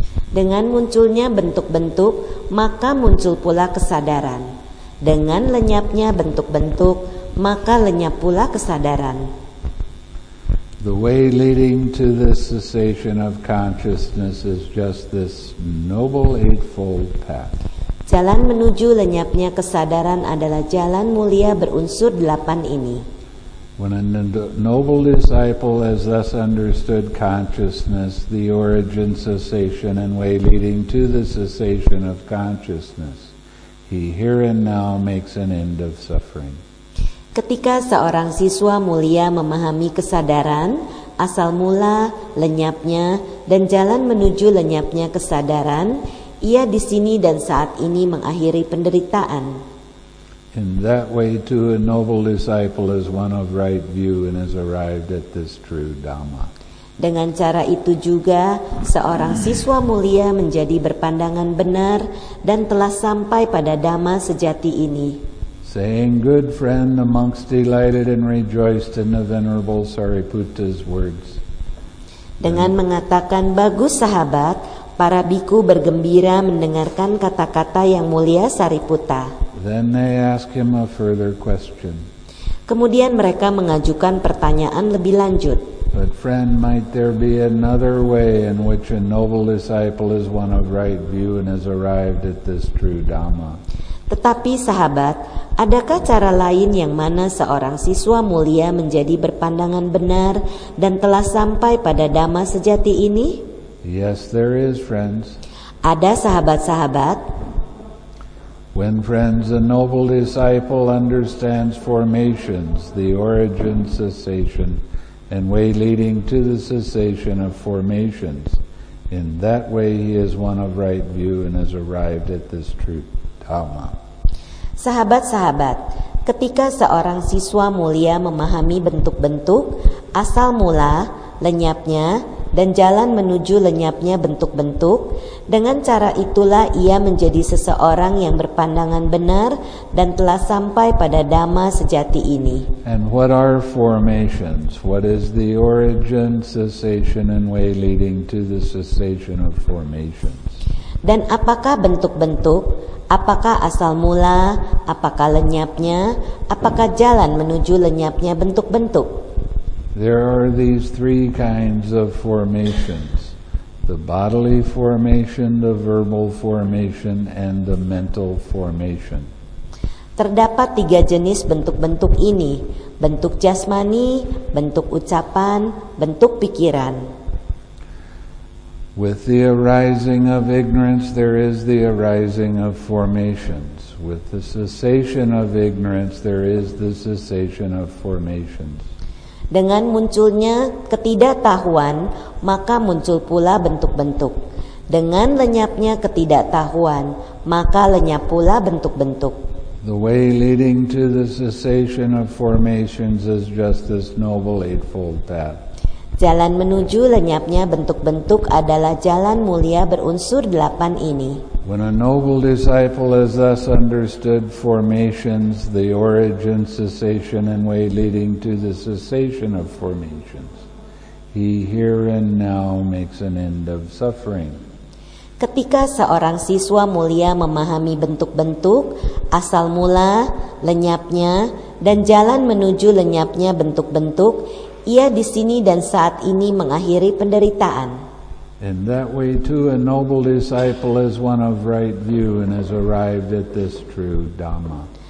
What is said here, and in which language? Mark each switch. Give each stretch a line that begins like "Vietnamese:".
Indonesian: Dengan munculnya bentuk-bentuk, maka muncul pula kesadaran. Dengan lenyapnya bentuk-bentuk, maka lenyap pula kesadaran.
English: The way leading to the cessation of consciousness is just this noble eightfold path.
Indonesian: Jalan menuju lenyapnya kesadaran adalah jalan mulia berunsur delapan ini.
English: When a noble disciple has thus understood consciousness, the origin, cessation, and way leading to the cessation of consciousness, he here and now makes an end of suffering.
Indonesian: Ketika seorang siswa mulia memahami kesadaran, asal mula, lenyapnya, dan jalan menuju lenyapnya kesadaran, ia di sini dan saat ini mengakhiri penderitaan.
English: In that way too, a noble disciple is one of right view and has arrived at this true Dhamma.
Indonesian: Dengan cara itu juga, seorang siswa mulia menjadi berpandangan benar dan telah sampai pada Dhamma sejati ini.
English: Saying, good friend, the monks delighted and rejoiced in the venerable Sariputta's words.
Indonesian: Dengan mengatakan bagus sahabat, para bhikkhu bergembira mendengarkan kata-kata yang mulia Sariputta.
English: Then they ask him a further question.
Indonesian: Kemudian mereka mengajukan pertanyaan lebih lanjut.
English: But friend, might there be another way in which a noble disciple is one of right view and has arrived at this true Dhamma?
Indonesian: Tetapi sahabat, adakah cara lain yang mana seorang siswa mulia menjadi berpandangan benar dan telah sampai pada Dhamma sejati ini?
English: Yes, there is, friends.
Indonesian: Ada sahabat-sahabat.
English: When friends, a noble disciple understands formations, the origin, cessation, and way leading to the cessation of formations, in that way he is one of right view and has arrived at this true Dhamma.
Indonesian: Sahabat-sahabat, ketika seorang siswa mulia memahami bentuk-bentuk, asal mula, lenyapnya, dan jalan menuju lenyapnya bentuk-bentuk, dengan cara itulah ia menjadi seseorang yang berpandangan benar dan telah sampai pada Dhamma sejati ini.
English: And what are formations? What is the origin, cessation, and way leading to the cessation of formations?
Indonesian: Dan apakah bentuk-bentuk? Apakah asal mula? Apakah lenyapnya? Apakah jalan menuju lenyapnya bentuk-bentuk?
English: There are these three kinds of formations: the bodily formation, the verbal formation, and the mental formation.
Indonesian: Terdapat tiga jenis bentuk-bentuk ini, bentuk jasmani, bentuk ucapan, bentuk pikiran.
English: With the arising of ignorance, there is the arising of formations. With the cessation of ignorance, there is the cessation of formations.
Indonesian: Dengan munculnya ketidaktahuan, maka muncul pula bentuk-bentuk. Dengan lenyapnya ketidaktahuan, maka lenyap pula bentuk-bentuk.
English: The way leading to the cessation of formations is just this noble eightfold path.
Indonesian: Jalan menuju lenyapnya bentuk-bentuk adalah jalan mulia berunsur delapan ini.
English: When a noble disciple has thus understood formations, the origin, cessation, and way leading to the cessation of formations, he here and now makes an end of suffering.
Indonesian: Ketika seorang siswa mulia memahami bentuk-bentuk, asal mula, lenyapnya, dan jalan menuju lenyapnya bentuk-bentuk, ia di sini dan saat ini mengakhiri penderitaan.
English: In that way too, a noble disciple is one of right view and has arrived at this true Dhamma.